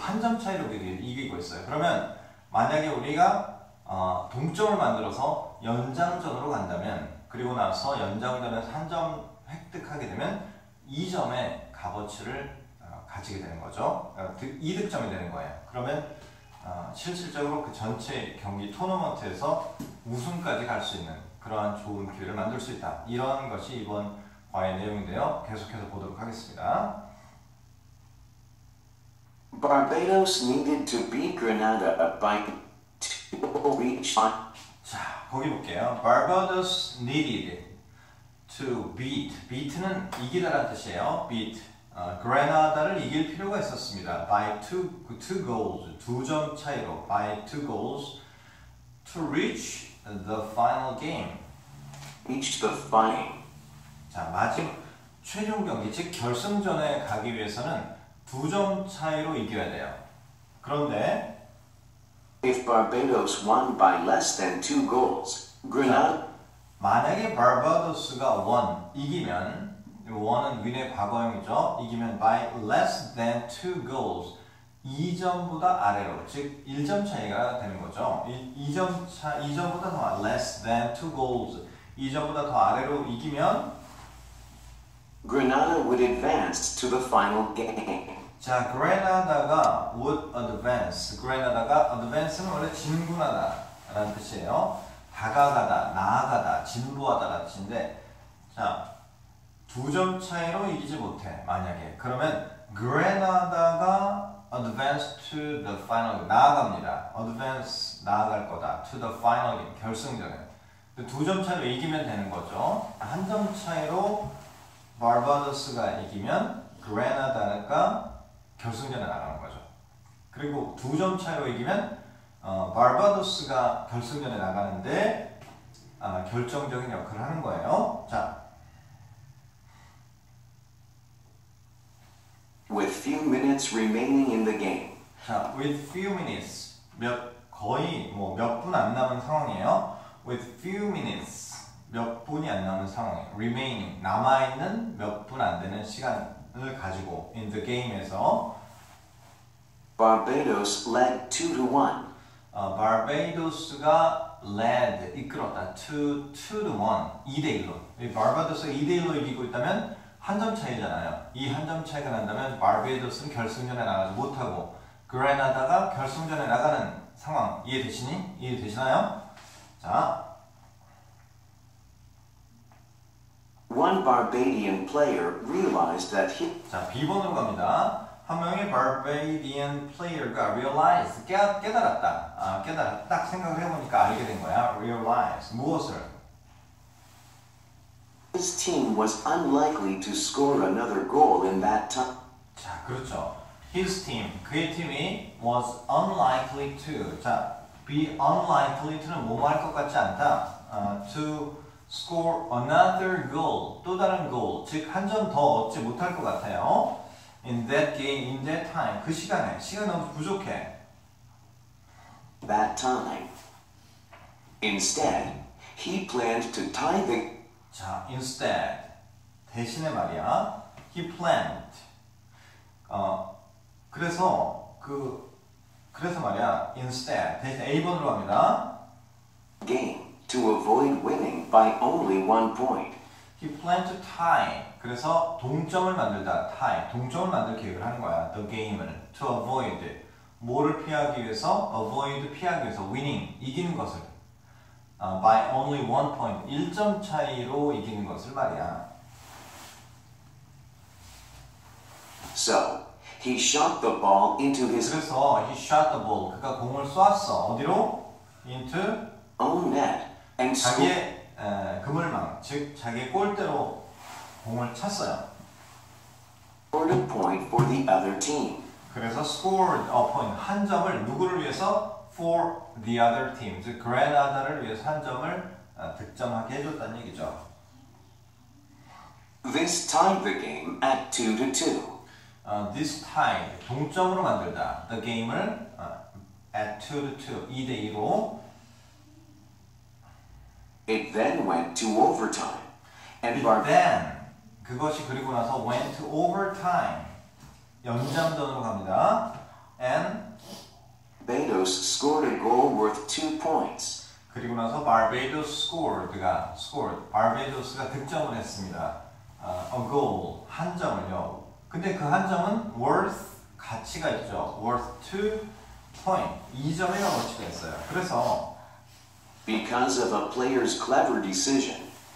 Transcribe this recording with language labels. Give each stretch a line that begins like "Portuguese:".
Korean: 한 점 차이로 이기고 있어요. 그러면 만약에 우리가 동점을 만들어서 연장전으로 간다면, 그리고 나서 연장전에서 한 점 획득하게 되면 2점의 값어치를 가지게 되는 거죠. 이득점이 되는 거예요. 그러면 실질적으로 그 전체 경기 토너먼트에서 우승까지 갈 수 있는 그러한 좋은 기회를 만들 수 있다. 이러한 것이 이번 과의 내용인데요. 계속해서 보도록 하겠습니다.
English: Barbados needed to beat Grenada by 2-1.
Korean: 자, 거기 볼게요.
English: Barbados needed to beat.
Korean: beat는 이기다라는 뜻이에요.
English: beat.
Korean: 그레나다를 이길 필요가 있었습니다.
English: By two goals,
Korean: 두 점 차이로.
English: By two goals to reach the final game. Reach the final.
Korean: 자, 마지막 최종 경기, 즉 결승전에 가기 위해서는 두 점 차이로 이겨야 돼요. 그런데
English: If Barbados won by less than two goals, Grenada.
Korean: 만약에 Barbados가 won 이기면. 원은 윈의 과거형이죠. 이기면
English: by less than two goals,
Korean: 2점보다 아래로, 즉 1점 차이가 되는 거죠. 2점보다 더
English: less than two goals,
Korean: 2점보다 더 아래로 이기면
English: Grenada would advance to the final game.
Korean: 자, Grenada가 would advance. Grenada가 advance는 원래 진군하다라는 뜻이에요. 다가가다, 나아가다, 진보하다라는 뜻인데, 자. 두 점 차이로 이기지 못해, 만약에. 그러면 그레나다가
English: advance to the final game,
Korean: 나아갑니다. advance, 나아갈 거다.
English: to the final game,
Korean: 결승전에. 두 점 차이로 이기면 되는 거죠. 한 점 차이로 Barbados가 이기면 그레나다가 결승전에 나가는 거죠. 그리고 두 점 차이로 이기면 Barbados가 결승전에 나가는데 결정적인 역할을 하는 거예요. 자.
English: With few minutes remaining in the game. 자, with few minutes.
Korean: 몇 분 안 남은 상황이에요.
English: With few minutes.
Korean: 몇 분이 안 남은 상황이에요.
English: Remaining.
Korean: 남아있는 몇 분 안 되는 시간을 가지고.
English: In the game에서. Barbados led 2-1.
Korean: Barbados가 led, 이끌었다. 2-1. 2대1로. Barbados가 2대1로 이기고 있다면 한 점 차이잖아요. 이 한 점 차이가 난다면 바베이도스는 결승전에 나가지 못하고 그레나다가 결승전에 나가는 상황 이해되시니? 이해되시나요? 자.
English: One Barbadian player realized that he
Korean: 자, B번으로 갑니다. 한 명의 Barbadian player가 realize 깨달았다. 아, 깨달았다. 딱 생각을 해보니까 알게 된 거야. Realize 무엇을?
English: His team was unlikely to score another goal in that time.
Korean: 자, 그렇죠.
English: His team,
Korean: 그의 팀이
English: was unlikely to.
Korean: 자, be unlikely to는 뭐뭐할 것 같지 않다.
English: To score another goal,
Korean: 또 다른 goal, 즉 한 점 더 얻지 못할 것 같아요.
English: In that game, in that time,
Korean: 그 시간에 시간 너무 부족해.
English: That time. Instead, he planned to tie the.
Korean: 자, instead, 대신에 말이야,
English: he planned,
Korean: 그래서 말이야, instead, 대신 A번으로 갑니다.
English: Game, to avoid winning by only one point. He planned to tie,
Korean: 그래서 동점을 만들다, tie, 동점을 만들 계획을 하는 거야, the game을,
English: to avoid,
Korean: 뭐를 피하기 위해서, avoid 피하기 위해서, winning, 이기는 것을.
English: By only one point,
Korean: 1점 차이로 이기는 것을 말이야.
English: So, he shot the ball into his...
Korean: 그래서
English: he shot the ball,
Korean: 그가 공을 쏘았어. 어디로? Into...
English: own net. And
Korean: 자기의 그물망, 즉 자기의 골대로 공을 찼어요.
English: Scored a point for the other team.
Korean: 그래서
English: scored a point,
Korean: 한 점을 누구를 위해서?
English: For the other team,
Korean: 즉 그레나다를 위해서 한 점을 득점하게 해줬다는 얘기죠.
English: This tied the game at 2-2. This tied,
Korean: 동점으로 만들다.
English: The game을 at 2-2, 2-2로. It then went to overtime. And it then,
Korean: 그것이 그리고 나서
English: went to overtime.
Korean: 연장전으로 갑니다. And
English: Barbados scored a goal worth 2 points.
Korean: 그리고 나서
English: Barbados scored.
Korean: Barbados가 득점을 했습니다.
English: A goal,
Korean: 한 점을요. 근데 그 한 점은 worth 가치가 있죠.
English: Worth 2 points.
Korean: 2점이나 가치가 있어요. 그래서
English: because of a player's clever decision,